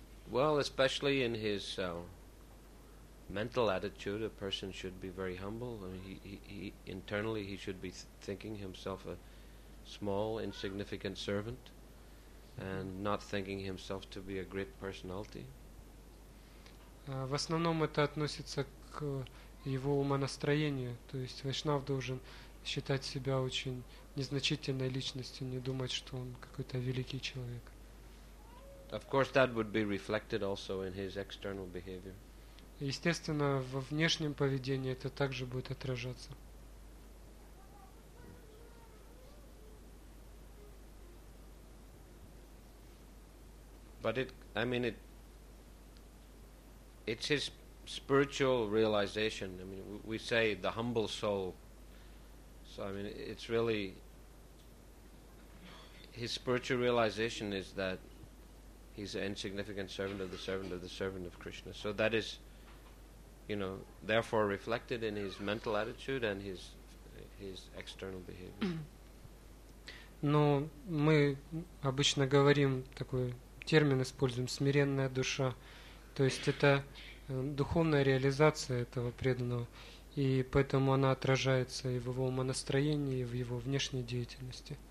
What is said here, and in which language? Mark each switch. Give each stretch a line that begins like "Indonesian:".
English: Well, especially in his mental attitude, a person should be very humble. I mean, he internally he should be thinking himself a small, insignificant servant, and not thinking himself to be a great personality.
Russian: В основном это относится к его умонастроению, то есть вайшнав должен считать себя очень незначительной личностью, не думать, что он какой-то великий человек.
English: Of course, that would be reflected also in his external behavior.
Russian: Естественно, во внешнем поведении это также будет отражаться.
English: But it's his spiritual realization. I mean, we say the humble soul. So, I mean, it's really his spiritual realization is that he's an insignificant servant of the servant of the servant of Krishna. So that is, you know, therefore reflected in his mental attitude and his external behavior.
Russian: Но мы обычно говорим такой термин используем «смиренная душа». То есть это духовная реализация этого преданного, и поэтому она отражается и в его умонастроении, и в его внешней деятельности.